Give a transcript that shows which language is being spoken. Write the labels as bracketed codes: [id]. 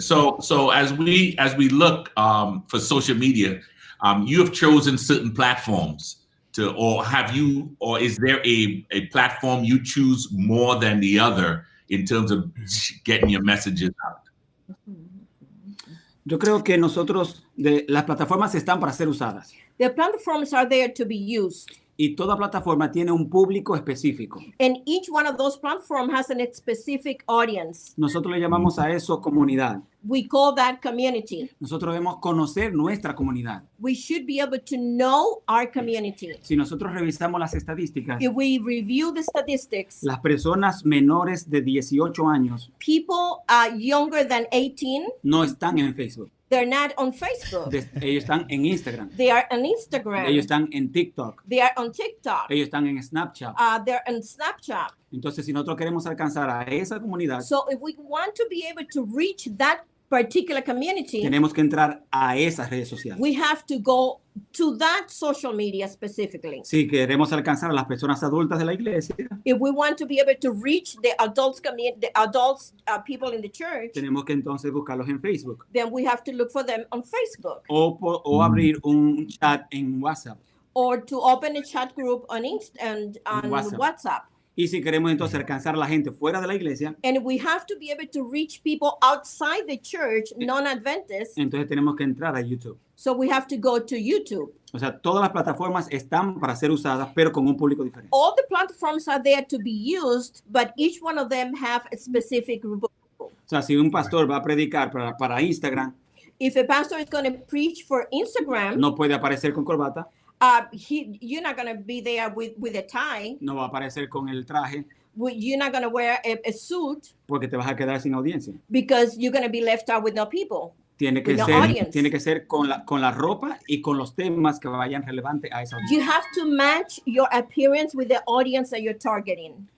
[en] So as we look for social media, you have chosen certain platforms is there a platform you choose more than the other in terms of getting your messages out? [es] Yo creo que nosotros, las plataformas están para ser usadas. [en] The platforms are there to be used. [es] Y toda plataforma tiene un público específico. [en] And each one of those platforms has a specific audience. [es] Nosotros le llamamos a eso comunidad. [en] We call that community. [es] Nosotros debemos conocer nuestra comunidad. [en] We should be able to know our community. [es] Si nosotros revisamos las estadísticas, [en] if we review the statistics, [es] las personas menores de 18 años, [en] people younger than 18, [es] no están en Facebook. [en] They're not on Facebook. [es] Ellos están en Instagram. [en] They are on Instagram. [es] Ellos están en TikTok. [en] They are on TikTok. [es] Ellos están en Snapchat. [en] They're on Snapchat. [es] Entonces, si nosotros queremos alcanzar a esa comunidad, [en] so if we want to be able to reach that particular community, [es] tenemos que entrar a esas redes sociales. [en] We have to go to that social media specifically. [es] Si queremos alcanzar a las personas adultas de la iglesia, [en] if we want to be able to reach the adults people in the church, [es] tenemos que entonces buscarlos en Facebook. [en] Then we have to look for them on Facebook. [es] O abrir un chat en WhatsApp. [en] Or to open a chat group on WhatsApp. [es] Y si queremos entonces alcanzar a la gente fuera de la iglesia, [en] and we have to be able to reach people outside the church, non-Adventists, [es] entonces tenemos que entrar a YouTube. [en] So we have to go to YouTube. [es] O sea, todas las plataformas están para ser usadas, pero con un público diferente. [en] All the platforms are there to be used, but each one of them have a specific group of people. [es] O sea, si un pastor va a predicar para Instagram, [en] if a pastor is going to preach for Instagram, [es] no puede aparecer con corbata. [en] You're not going to be there with a tie. [es] No va a aparecer con el traje. [en] You're not going to wear a suit. [es] Porque te vas a quedar sin audiencia. [en] Because you're going to be left out with no people. [es] Tiene que ser con la ropa y con los temas que vayan relevante a esa audiencia. [en] You have to match your appearance with the audience that you're targeting.